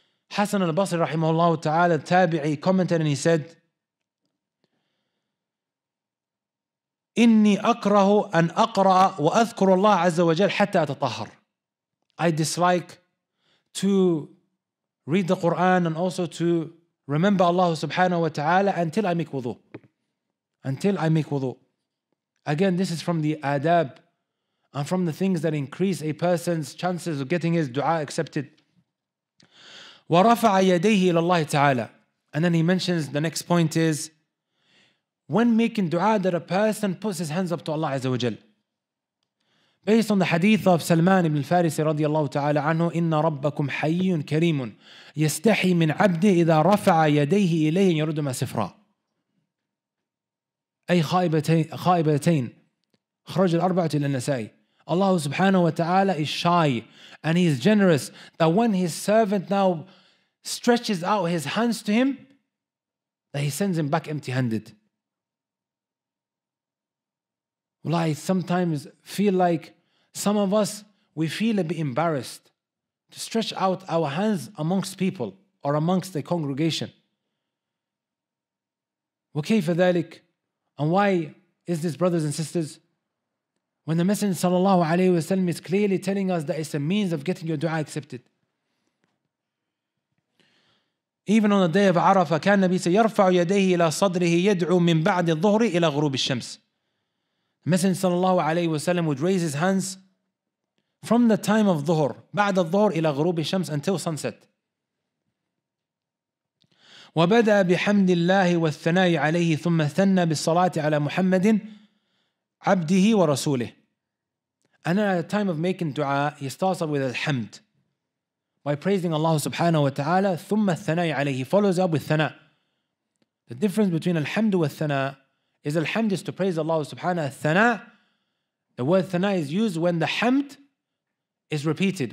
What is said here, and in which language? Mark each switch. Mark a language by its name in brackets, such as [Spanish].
[English] Hassan al-Basri rahimahullah ta'ala, tabi'i, commented and he said, [Arabic] إِنِّي أَكْرَهُ أَنْ أَقْرَأَ وَأَذْكُرُ اللَّهَ عَزَّ وَجَلْ حَتَّى أَتَطَهَرُ. [English] I dislike to read the Quran and also to remember Allah subhanahu wa ta'ala until I make wudu. Until I make wudu. Again, this is from the adab and from the things that increase a person's chances of getting his dua accepted. [Arabic] وَرَفَعَ يَدَيْهِ إِلَى اللَّهِ تَعَالَى. [English] And then he mentions the next point is, when making dua that a person puts his hands up to Allah Azza wa Jal. Based on the hadith of Salman ibn al-Farisi radiallahu ta'ala anhu, [Arabic] إِنَّ رَبَّكُمْ حَيٌّ كَرِيمٌ يَسْتَحِي مِنْ عَبْدِهِ إِذَا رَفَعَ يَدَيْهِ إِلَيْهِ يَرُدُمَا سِفْرًا. أي خائبتين خرج الأربعة إلى النسائي. [English] Allah subhanahu wa ta'ala is shy and he is generous that when his servant now stretches out his hands to him, that he sends him back empty-handed. Well, I sometimes feel like some of us, we feel a bit embarrassed to stretch out our hands amongst people or amongst the congregation. [Arabic] وكيف ذلك? [English] And why is this, brothers and sisters? When the Messenger sallallahu alayhi wa sallam is clearly telling us that it's a means of getting your dua accepted. Even on the day of Arafah, [Arabic] كان النبي سيرفع يديه إلى صدره يدعو من بعد الظهر إلى غروب الشمس. [English] The Messenger sallallahu alayhi wa sallam would raise his hands from the time of Dhuhr, [Arabic] بعد الظهر إلى غروب الشمس, [English] until sunset. [Arabic] وبدأ بحمد الله والثناء عليه ثم ثنى بالصلاة على محمد عبده ورسوله. [English] And then at the time of making dua, he starts up with alhamd, by praising Allah subhanahu wa ta'ala, [Arabic] ثم الثناء عليه, [English] he follows up with thana. The difference between alhamd and thana is alhamd is to praise Allah subhanahu wa ta'ala. The word thana is used when the hamd is repeated.